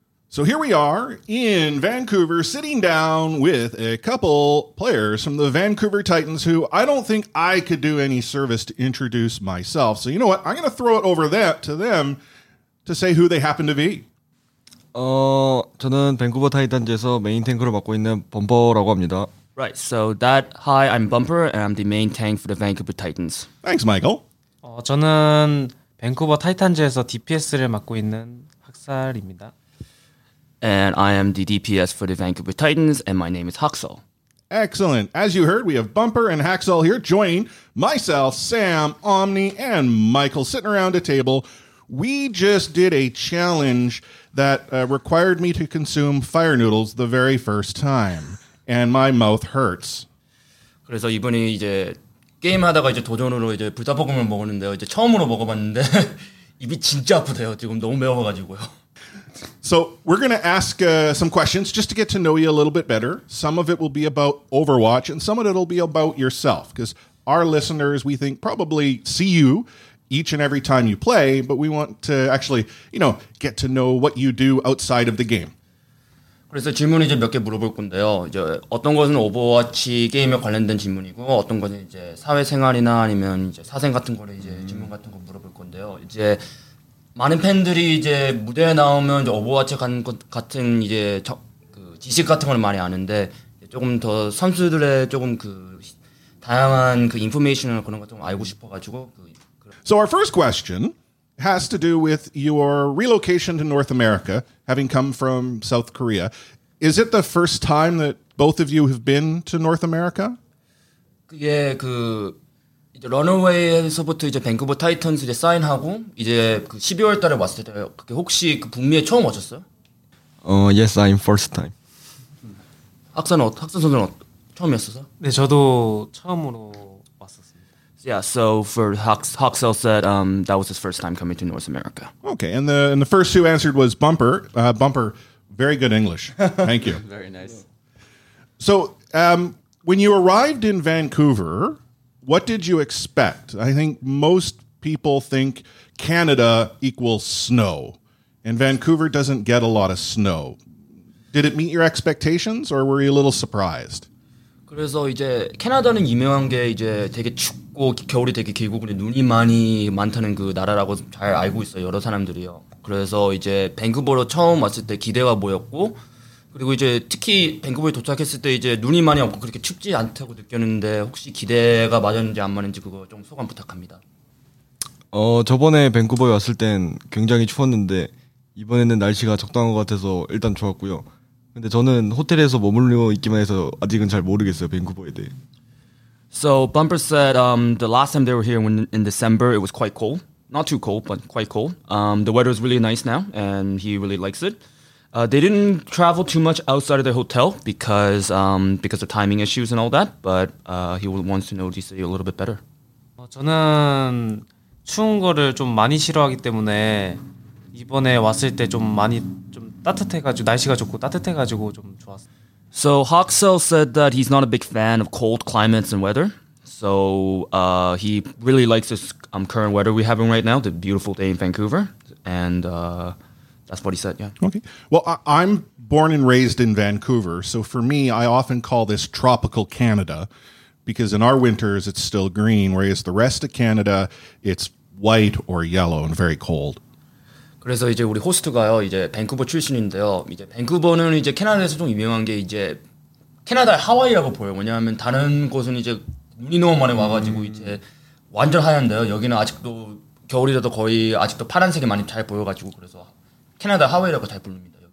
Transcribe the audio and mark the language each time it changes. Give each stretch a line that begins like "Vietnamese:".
English: So here we are in Vancouver sitting down with a couple players from the Vancouver Titans who I don't think I could do any service to introduce myself. So you know what? I'm going to throw it over that to them to say who they happen to be.
Korean: 저는 밴쿠버 타이탄즈에서 메인 탱커를 맡고 있는 범퍼라고 합니다.
English: Right, so that, hi, I'm Bumper, and I'm the main tank for the Vancouver Titans. Thanks, Michael.
Korean: 저는 밴쿠버 타이탄즈에서 DPS를 맡고 있는 학살입니다.
English: And I am the DPS for the Vancouver Titans, and my name is Haksal. Excellent. As you heard, we have Bumper and Haksal here. Join myself, Sam, Omni, and Michael sitting around a table. We just did a challenge that required me to consume fire noodles the very first time, and my mouth hurts.
Korean: 그래서 이번에 이제 게임하다가 이제 도전으로 이제 불닭볶음을 먹었는데요. 이제 처음으로 먹어봤는데 입이 진짜 아프대요. 지금 너무 매워가지고요.
English: So we're going to ask some questions just to get to know you a little bit better. Some of it will be about Overwatch and some of it will be about yourself because our listeners, we think, probably see you each and every time you play, but we want to actually, you know, get to know what you do outside of the game.
Korean: 그래서 질문을 이제 몇 개 물어볼 건데요. 이제 어떤 것은 오버워치 게임에 관련된 질문이고 어떤 것은 이제 사회생활이나 아니면 이제 사생 같은 거를 이제 질문 같은 거 물어볼 건데요. 이제 많은 팬들이 이제 무대에 나오면 이제 오버워치 같은 이제 그 지식 같은 걸 많이 아는데 조금 더 선수들의 조금 그 다양한 그 인포메이션을 그런 것 좀 알고 싶어 가지고 그
English: So our first question has to do with your relocation to North America, having come from South Korea. Is it the first time that both of you have been to North America?
Korean: 그게 그 이제 런어웨이에서부터 이제 밴쿠버 타이탄스 이제 사인하고 이제 그 12월 달에 왔을 때 그게 혹시 그 북미에 처음 오셨어요?
English: Yes, I'm first time.
Korean: 학선 선수는 처음이었어서? 네, 저도 처음으로
English: Yeah, so for Haksal said that was his first time coming to North America. Okay, and the first who answered was Bumper. Bumper, very good English. Thank you. Very nice. So when you arrived in Vancouver, what did you expect? I think most people think Canada equals snow, and Vancouver doesn't get a lot of snow. Did it meet your expectations, or were you a little surprised?
Korean: 그래서 이제 캐나다는 유명한 게 이제 되게 춥고 겨울이 되게 길고 근데 눈이 많이 많다는 그 나라라고 잘 알고 있어요 여러 사람들이요. 그래서 이제 밴쿠버로 처음 왔을 때 기대가 모였고 그리고 이제 특히 밴쿠버에 도착했을 때 이제 눈이 많이 없고 그렇게 춥지 않다고 느꼈는데 혹시 기대가 맞았는지 안 맞았는지 그거 좀 소감 부탁합니다. 저번에 밴쿠버에 왔을 땐 굉장히 추웠는데 이번에는 날씨가 적당한 것 같아서 일단 좋았고요. 근데 저는 호텔에서 머물러 있기만 해서 아직은 잘 모르겠어요, 밴쿠버에 대해.
English: So Bumper said the last time they were here when, in December, it was quite cold. Not too cold, but quite cold. The weather is really nice now, and he really likes it. They didn't travel too much outside of their hotel because of timing issues and all that, but he wants to know the city a little bit better.
Korean: 저는 추운 거를 좀 많이 싫어하기 때문에 이번에 왔을 때 좀 많이 좀 따뜻해가지고 날씨가 좋고 따뜻해가지고 좀 좋았어요.
English: So Haksal said that he's not a big fan of cold climates and weather. So he really likes this current weather we're having right now, the beautiful day in Vancouver. And that's what he said, yeah. Okay. Well, I'm born and raised in Vancouver. So for me, I often call this tropical Canada because in our winters, it's still green, whereas the rest of Canada, it's white or yellow and very cold.
Korean: 그래서 이제 우리 호스트가요 이제 밴쿠버 출신인데요 이제 밴쿠버는 이제 캐나다에서 좀 유명한 게 이제 캐나다 하와이라고 보여요. 왜냐하면 다른 곳은 이제 눈이 너무 많이 와가지고 이제 완전 하얀데요. 여기는 아직도 겨울이라도 거의 아직도 파란색이 많이 잘 보여가지고 그래서 캐나다 하와이라고 잘 부릅니다.